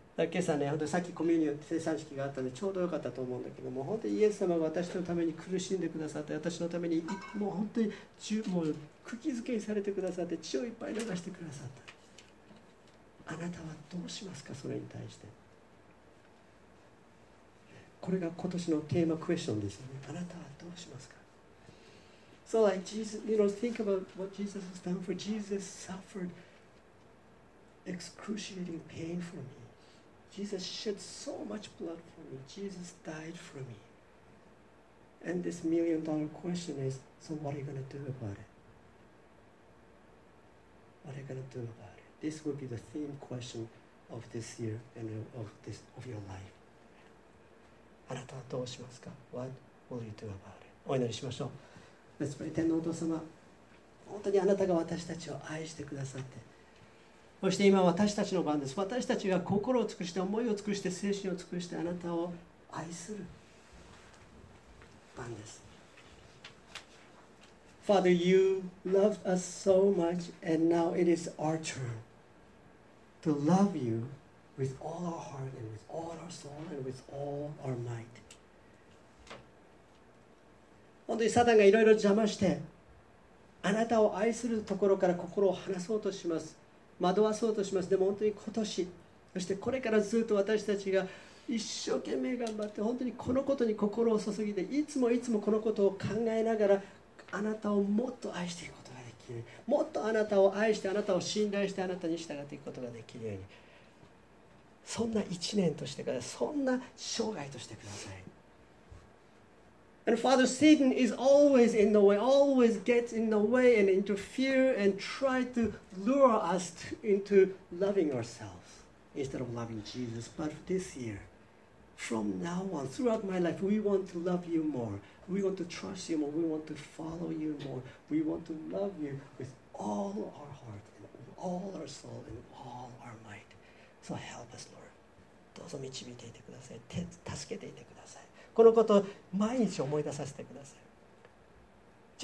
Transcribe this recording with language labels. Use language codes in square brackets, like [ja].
[ja] 今朝ね、本当さっきコミュニオン聖餐式があったのでちょうどよかったと思うんだけども、本当にイエス様が私のために苦しんでくださって、私のためにもう本当にもう釘付けにされてくださって、血をいっぱい流してくださった。あなたはどうしますか、それに対して。これが今年のテーマクエスチョンですよね。あなたはどうしますか。 [en] So like Jesus, you know, think about what Jesus has done for Jesus suffered excruciating pain for me. Jesus shed so much blood for me. Jesus died for me. And this million-dollar question is, so what are you going to do about it? What are you going to do about it? This will be the theme question of this year and of your life. [ja] あなたはどうしますか? [en] What will you do about it? [ja] お祈りしましょう。 [en] Let's pray. [ja] 天皇お父様、本当にあなたが私たちを愛してくださって、そして今私たちの番です。私たちが心を尽くして、思いを尽くして、精神を尽くしてあなたを愛する番です。 [en] Father, you loved us so much, and now it is our turn to love you with all our heart and with all our soul and with all our might. [ja] 本当にサタンがいろいろ邪魔して、あなたを愛するところから心を離そうとします。惑わそうとします。でも本当に今年、そしてこれからずっと私たちが一生懸命頑張って、本当にこのことに心を注ぎで、いつもいつもこのことを考えながら、あなたをもっと愛していくことができるように、もっとあなたを愛して、あなたを信頼して、あなたに従っていくことができるように、そんな一年としてください。そんな生涯としてください。 [en] And Father, Satan is always in the way, always gets in the way and interfere and try to lure us into loving ourselves instead of loving Jesus. But this year, from now on, throughout my life, we want to love you more. We want to trust you more. We want to follow you more. We want to love you with all our heart and all our soul and all our might. So help us, Lord. [ja] どうぞ導いていてください。助けていてください。このことを毎日思い出させてください。